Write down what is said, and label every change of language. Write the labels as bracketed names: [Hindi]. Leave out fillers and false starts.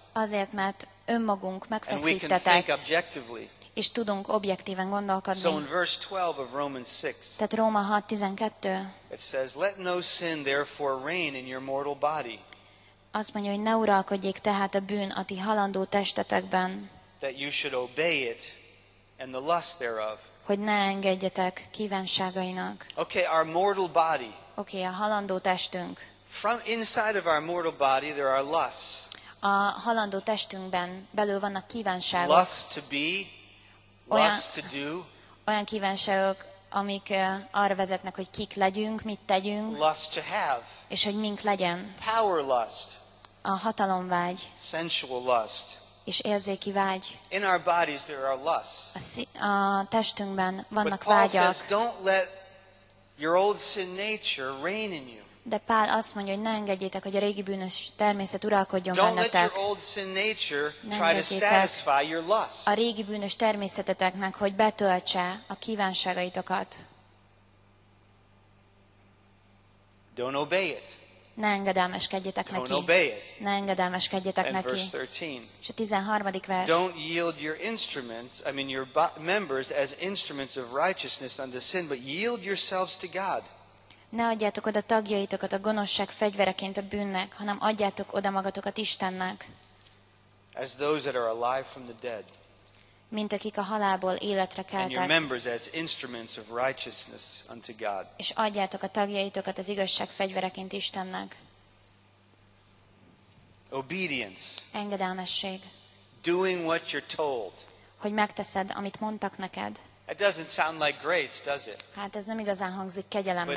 [Hungarian] Azért, mert önmagunk megfeszítetett, és tudunk objektíven gondolkodni. [English] So in verse 12 of Romans 6, [Hungarian] tehát Róma 6:12. [English] It says, let no sin therefore reign in your mortal body. [Hungarian] Azt mondja, hogy ne uralkodjék tehát a bűn a ti halandó testetekben. [English] that you should obey it and the lust thereof. [Hungarian] Hogy ne engedjetek kívánságainak. [English] Okay, our mortal body. [Hungarian] Okay, a halandó testünk. [English] From inside of our mortal body there are lusts. [Hungarian] A halandó testünkben belül vannak kívánságok. [English] Lust to be, lust to do. [Hungarian] Olyan kívánságok, amik arra vezetnek, hogy kik legyünk, mit tegyünk. [English] Lust to have. [Hungarian] És hogy mink legyen. [English] Power lust. [Hungarian] A hatalomvágy. [English] Sensual lust. [Hungarian] És érzéki vágy. [English] In our bodies there are lusts. [Hungarian] A testünkben vannak vágyak. [English] But Paul says, don't let your old sin nature reign in you. [Hungarian] De Pál azt mondja, hogy ne engedjétek, hogy a régi bűnös természet uralkodjon [English] don't [Hungarian] bennetek. [English] Don't let your old sin nature try to satisfy your lusts. [Hungarian] A régi bűnös természeteteknek, hogy betöltse a kívánságaitokat. [English] Don't obey it. [Hungarian] Ne engedelmeskedjetek [English] don't [Hungarian] neki. [English] Obey it. [Hungarian] Ne engedelmeskedjetek [English] and [Hungarian] neki. [English] Verse 13. [Hungarian] És a 13. vers. [English] Don't yield your instruments, I mean your members as instruments of righteousness unto sin, but yield yourselves to God. [Hungarian] Ne adjátok oda tagjaitokat a gonoszság fegyvereként a bűnnek, hanem adjátok oda magatokat Istennek. [English] As those that are alive from the dead. [Hungarian] Mint akik a halálból életre keltek. [English] And your members as instruments of righteousness unto God. [Hungarian] És adjátok a tagjaitokat az igazság fegyvereként Istennek. [English] Obedience. [Hungarian] Engedelmesség. [English] Doing what you're told. [Hungarian] Hogy megteszed, amit mondtak neked. [English] It doesn't sound like grace, does it? [Hungarian] Hát ez nem igazán hangzik kegyelemnek,